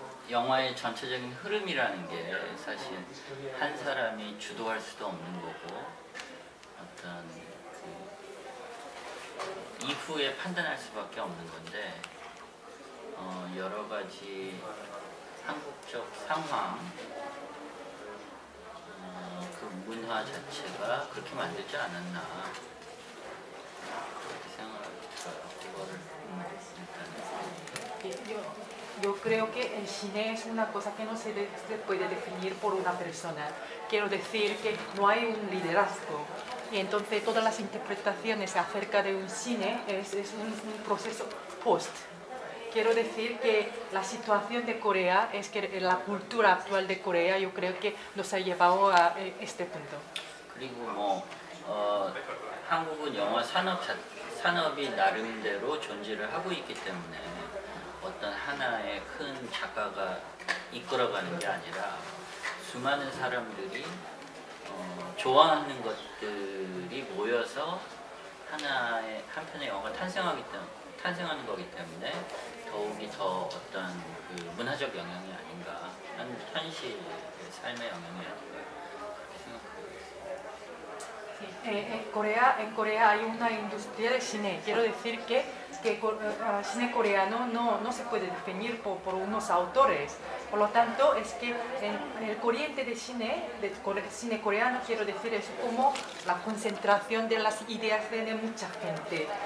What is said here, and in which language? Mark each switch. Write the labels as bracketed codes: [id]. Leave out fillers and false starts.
[ko] 영화의 전체적인 흐름이라는 게 사실 한 사람이 주도할 수도 없는 거고 어떤 그 이후에 판단할 수밖에 없는 건데 여러 가지 한국적 상황 그 문화 자체가 그렇게 만들지 않았나 그렇게 생각을 했어요. [es] Yo creo que el cine es una cosa que no se, se puede definir por una persona. Quiero decir que no hay un liderazgo. Y entonces todas las interpretaciones acerca de un cine es un proceso post. Quiero decir que la situación de Corea es que la cultura actual de Corea yo creo que nos ha llevado a este punto. [ko] 그리고 뭐, 한국은 영화 산업, 산업이 나름대로 존재를 하고 있기 때문에 어떤 하나의 큰 작가가 이끌어가는 게 아니라 수많은 사람들이 좋아하는 것들이 모여서 하나의 한 편의 영화가 탄생하는 거기 때문에 더욱이 더 어떤 그 문화적 영향이 아닌가 한 현실의 삶의 영향이 아닌가 [es] En Corea hay una industria de cine. Quiero decir que el cine coreano no se puede definir por unos autores. Por lo tanto, es que el corriente de cine coreano, quiero decir, es como la concentración de las ideas de mucha gente.